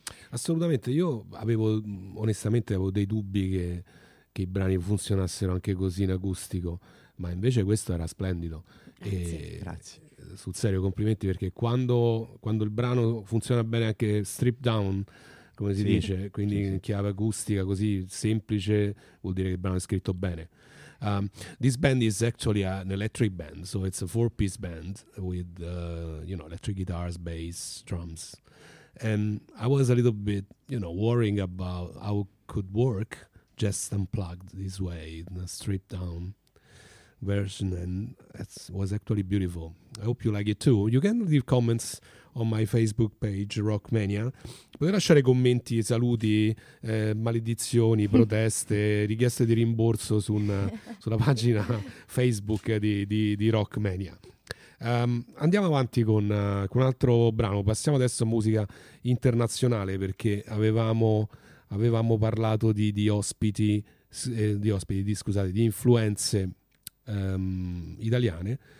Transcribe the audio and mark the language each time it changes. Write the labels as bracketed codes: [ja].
[it] Assolutamente, io onestamente avevo dei dubbi che i brani funzionassero anche così in acustico, ma invece questo era splendido. Grazie. Sul serio, complimenti, perché quando il brano funziona bene anche stripped down, come si dice, quindi in chiave acustica così semplice, vuol dire che il brano è scritto bene. [en] This band is actually an electric band, so it's a four-piece band with electric guitars, bass, drums, and I was a little bit worrying about how it could work just unplugged this way in a stripped down version, and it was actually beautiful. I hope you like it too. You can leave comments on my Facebook page Rockmania. [it] Potete lasciare commenti, saluti, maledizioni, proteste, richieste di rimborso sulla pagina Facebook di Rockmania. Andiamo avanti con un altro brano. Passiamo adesso a musica internazionale, perché avevamo parlato di influenze italiane.